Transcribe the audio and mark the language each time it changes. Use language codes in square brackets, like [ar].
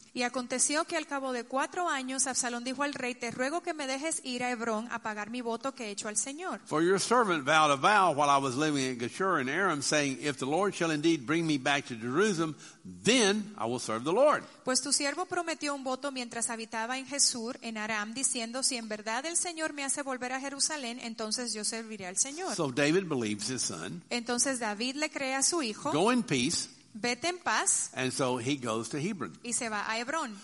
[es] Y aconteció que al cabo de 4 años, Absalón dijo al rey, te ruego que me dejes ir a Hebrón a pagar mi voto que he hecho al Señor. [en] For your servant vowed a vow while I was living in Geshur in Aram, saying, if the Lord shall indeed bring me back to Jerusalem, then I will serve the Lord. [es] Pues tu siervo prometió un voto mientras habitaba en Geshur, en Aram, diciendo, si en verdad el Señor me hace volver a Jerusalén, entonces yo serviré al Señor. [en] So David believes his son. [es] Entonces David le cree a su hijo. [en] Go in peace. [es] Vete en paz. [en] And so he goes to Hebron. [es] Y se va a Hebrón.